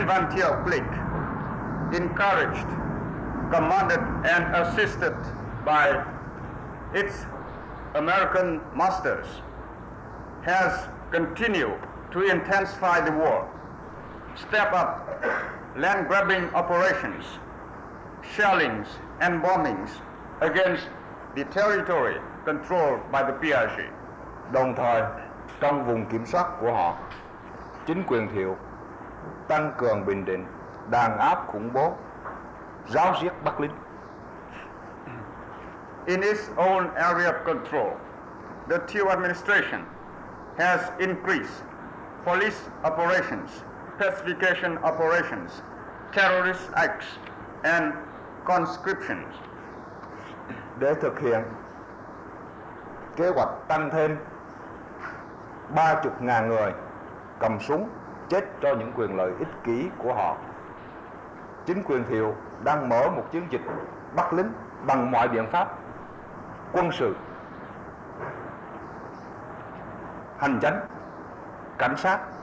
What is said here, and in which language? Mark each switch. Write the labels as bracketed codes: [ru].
[en] Thiệu clique, encouraged, commanded and assisted by its American masters, has continued to intensify the war, step up land grabbing operations, shellings and bombings against the territory controlled by the PRG. [vi] Đồng thời, trong vùng kiểm soát của họ, chính quyền Thiệu tăng cường bình định, đàn áp khủng bố, ráo riết bắt lính. [en] In its own area of control, the Thieu administration has increased police operations, pacification operations, terrorist acts and conscriptions. [vi] Để thực hiện kế hoạch tăng thêm 30.000 người cầm súng chết cho những quyền lợi ích kỷ của họ, chính quyền Thiệu đang mở một chiến dịch bắt lính bằng mọi biện pháp quân sự, hành chính, cảnh sát,